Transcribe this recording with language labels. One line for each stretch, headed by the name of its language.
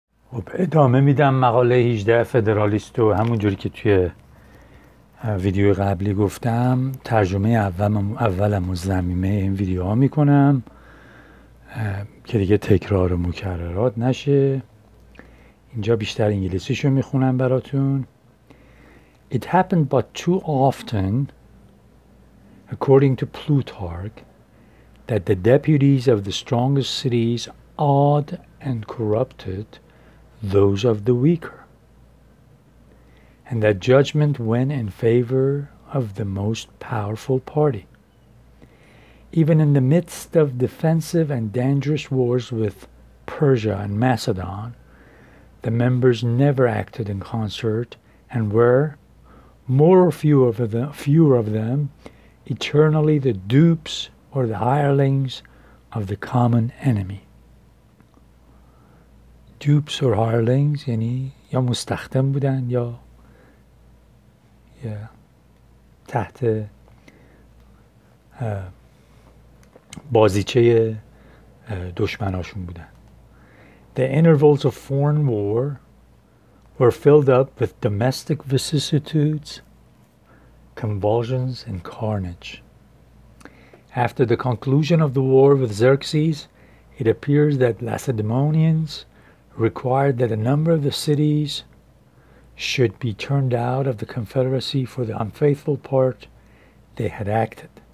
Persian: خب ادامه میدم مقاله 18 فدرالیست و همون جوری که توی ویدیو قبلی گفتم ترجمه اولم و زمیمه این ویدیو ها میکنم که دیگه تکرار و مکررات نشه. اینجا بیشتر انگلیسیشو میخونم براتون.
English: It happened but too often, according to Plutarch, that the deputies of the strongest cities awed and corrupted those of the weaker, and that judgment went in favor of the most powerful party. Even in the midst of defensive and dangerous wars with Persia and Macedon, the members never acted in concert and were, more or fewer of them, eternally the dupes or the hirelings of the common enemy.
Persian: دوپس و هایرلینگز یعنی یا مستخدم بودن یا تحت بازیچه دشمناشون بودن.
English: The intervals of foreign war were filled up with domestic vicissitudes, convulsions and carnage. After the conclusion of the war with Xerxes, it appears that Lacedaemonians required that a number of the cities should be turned out of the confederacy for the unfaithful part they had acted.